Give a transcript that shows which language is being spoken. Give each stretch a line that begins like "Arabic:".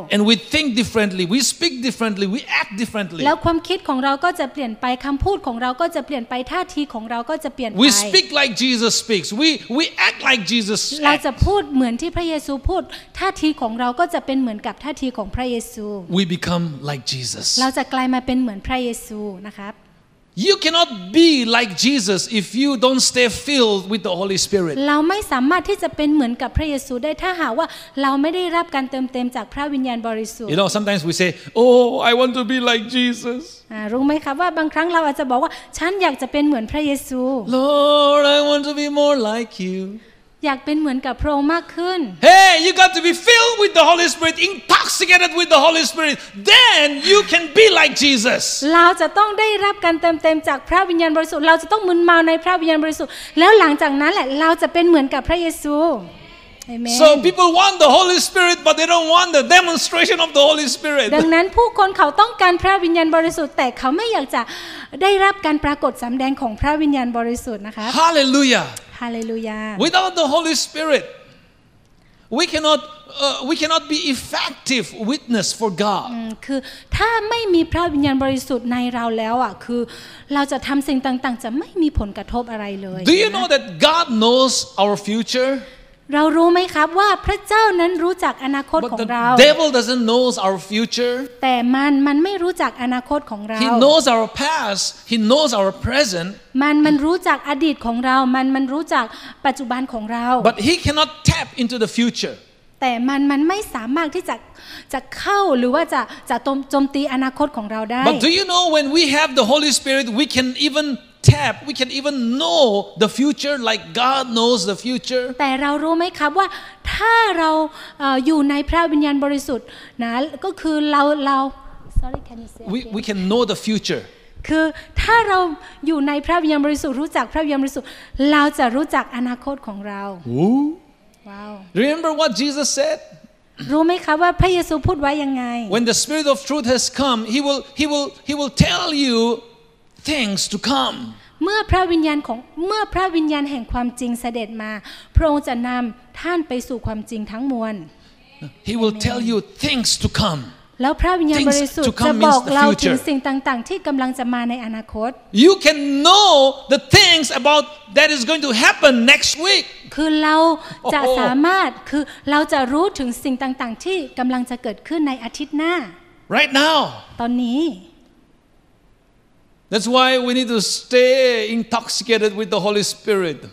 English: And we think differently we speak differently we act differently
Thai: แล้วความคิดของเราก็จะเปลี่ยนไปคำพูดของเราก็จะเปลี่ยนไปท่าทีของเราก็จะเปลี่ยนไป
English: We speak like Jesus speaks we act like Jesus
Thai: เราจะพูดเหมือนที่พระเยซูพูดท่าทีของเราก็จะเป็นเหมือนกับท่าทีของพระเยซู
English: We become like Jesus
Thai: เราจะกลายมาเป็นเหมือนพระเยซูนะครับ
English: You cannot be like Jesus if you don't stay filled with the Holy Spirit
Thai: เราไม่สามารถที่จะเป็นเหมือนกับพระเยซูได้ถ้าหากว่าเราไม่ได้รับการเติมเต็มจากพระวิญญาณบริสุทธิ์
English: You know sometimes we say oh I want to be like Jesus
Thai: รู้ไหมครับว่าบางครั้งเราอาจจะบอกว่าฉันอยากจะเป็นเหมือนพระเยซู
English: Lord I want to be more like you
Thai: อยากเป็นเหมือนกับพระองค์มากขึ้น
English: Hey you got to be filled with the Holy Spirit intoxicated with the Holy Spirit then you can be like Jesus
Thai: เราจะต้องได้รับการเต็มๆจากพระวิญญาณบริสุทธิ์เราจะต้องมึนเมาในพระวิญญาณบริสุทธิ์แล้วหลังจากนั้นแหละเราจะเป็นเหมือนกับพระเยซู Amen
English: So people want the Holy Spirit but they don't want the demonstration of the Holy Spirit
Thai: ดังนั้นผู้คนเขาต้องการพระวิญญาณบริสุทธิ์แต่เขาไม่อยากจะได้รับการปรากฏสำแดงของพระวิญญาณบริสุทธิ์นะคะ
English: Hallelujah Hallelujah. Without the Holy Spirit, we cannot be effective witness for God.
Thai: คือถ้าไม่มีพระวิญญาณบริสุทธิ์ในเราแล้วอ่ะคือเราจะทำสิ่งต่างๆจะไม่มีผลกระทบอะไรเลย
English: Do you know that God knows our future?
Thai: เรารู้ไหมครับว่าพระเจ้านั้นรู้จักอนาคตของเรา
English: But the devil doesn't knows our future.
Thai: แต่มันไม่รู้จักอนาคตของเรา
English: He knows our past. He knows our present.
Thai: มันรู้จักอดีตของเรามันรู้จักปัจจุบันของเรา
English: But he cannot tap into the future
Thai: แต่มันไม่สามารถที่จะเข้าหรือว่าจะโจมตีอนาคตของเราได้
English: But do you know when we have the Holy Spirit we can even tap we can even know the future like God knows the future
Thai: แต่เรารู้ไหมครับว่าถ้าเราอยู่ในพระวิญญาณบริสุทธิ์นะก็คือเรา
English: sorry can you say we can know the future
Thai: คือถ้าเราอยู่ในพระวิญญาณบริสุทธิ์รู้จักพระวิญญาณบริสุทธิ์เราจะรู้จักอนาคตของเราว้าว
English: Remember what Jesus said
Thai: รู้ไหมคะว่าพระเยซูพูดไว้ยังไง
English: When the Spirit of Truth has come he will tell you things to come
Thai: เมื่อพระวิญญาณแห่งความจริงเสด็จมาพระองค์จะนำท่านไปสู่ความจริงทั้งมวล
English: He will tell you things to come
Thai: แล้วพระวิญญาณบริสุทธิ์จะบอกเราถึงสิ่งต่างๆที่กำลังจะมาในอนาคต
English: You can know the things about that is going to happen next week
Thai: คือเราจะสามารถคือเราจะรู้ถึงสิ่งต่างๆที่กำลังจะเกิดขึ้นในอาทิตย์หน้า
English: Right now
Thai: ตอนนี้
English: That's why we need to stay intoxicated with the Holy Spirit.